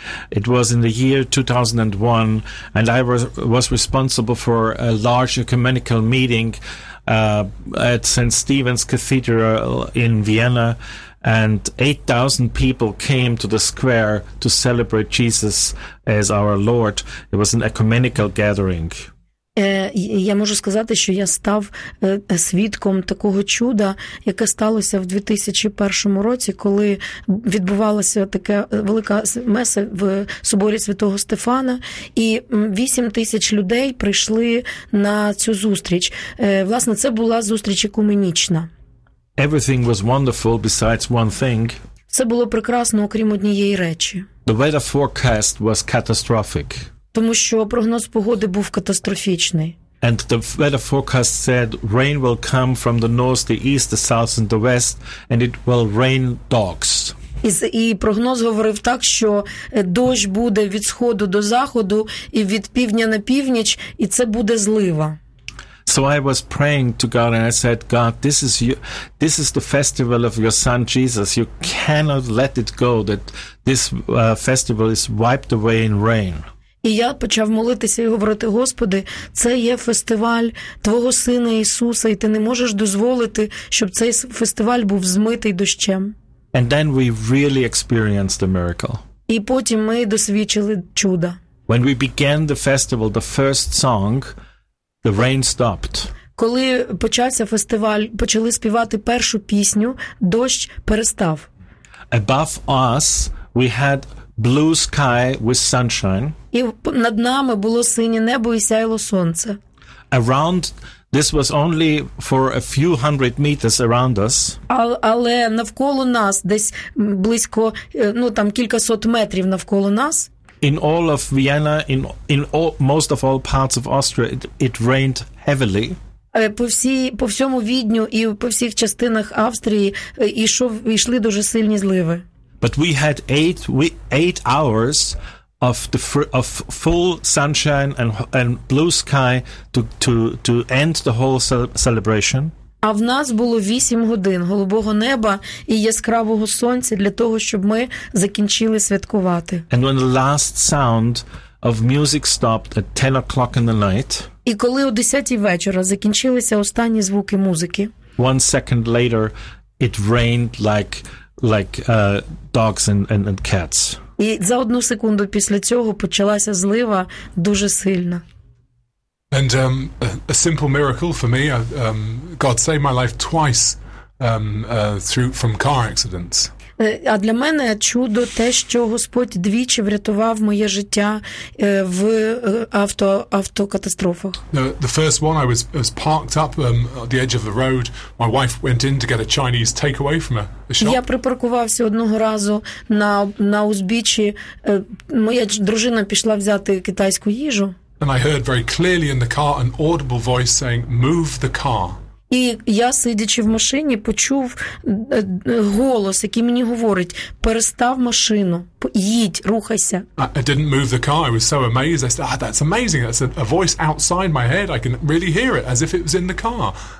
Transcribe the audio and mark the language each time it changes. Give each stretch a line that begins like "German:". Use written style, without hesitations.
English: It was in the year 2001, and I was responsible for a large ecumenical meeting at St. Stephen's Cathedral in Vienna, and 8,000 people came to the square to celebrate Jesus as our Lord. It was an ecumenical gathering.
Ukrainian: Я можу сказати, що я став свідком такого чуда, яке сталося в 2001 році, коли відбувалася така велика меса в соборі Святого Стефана, і 8 тисяч людей прийшли на цю зустріч. Власне, це була зустріч екуменічна.
English: Everything was wonderful besides one thing.
Ukrainian: Це було прекрасно, окрім однієї речі.
English: The weather forecast was catastrophic.
Ukrainian: Тому що прогноз погоди був катастрофічний.
English: And the weather forecast said rain will come from the north, the east, the south and the west, and it will rain dogs.
Ukrainian: І прогноз говорив так, що дощ буде від сходу до заходу і від півдня на північ, і це буде злива.
English: So I was praying to God and I said, God, this is the festival of your son Jesus. You cannot let it go that this festival is wiped away in rain.
Ukrainian: І я почав молитися і говорити: Господи, це є фестиваль Твого Сина Ісуса, і Ти не можеш дозволити, щоб цей фестиваль був змитий дощем.
English: And then we really experienced a miracle.
Ukrainian: І потім ми досвідчили чуда.
English: When we began the festival, the first song, the rain stopped.
Ukrainian: Коли почався фестиваль, почали співати першу пісню, дощ перестав.
English: Above us we had blue sky with sunshine.
Ukrainian: І над нами було синє небо і сяяло сонце.
English: Around this was only for a few hundred meters around us.
Ukrainian: Але навколо нас десь близько, ну там кілька сот метрів навколо нас.
English: In all of Vienna, in all, most of all parts of Austria, it rained heavily.
Ukrainian: по всьому Відню і по всіх частинах Австрії йшли дуже сильні зливи.
English: But we had eight hours of the of full sunshine and blue sky to end the whole celebration.
Ukrainian: А в нас було 8 годин голубого неба і яскравого сонця для того, щоб ми закінчили святкувати.
English: And when the last sound of music stopped at 10 o'clock in the night.
Ukrainian: І коли о 10 вечора закінчилися останні звуки музики.
English: One second later it rained like dogs and cats.
Ukrainian: І за одну секунду після цього почалася злива дуже сильна.
English: And a simple miracle for me, God saved my life twice through from car accidents.
Ukrainian: А для мене чудо те, що Господь двічі врятував моє життя в автокатастрофах.
English: The first one I was parked up at the edge of the road. My wife went in to get a Chinese takeaway from a shop.
Ukrainian: Я припаркувався одного разу на узбіччі. Моя дружина пішла взяти китайську їжу.
English: And I heard very clearly in the car an audible voice saying, "Move the car."
Ukrainian: І я, сидячи в машині, почув голос, який мені говорить: "Перестав машину, їдь, рухайся."
English: I didn't move the car. I was so amazed. I said, "Ah, that's amazing. That's a voice outside my head. I can really hear it as if it was in the car."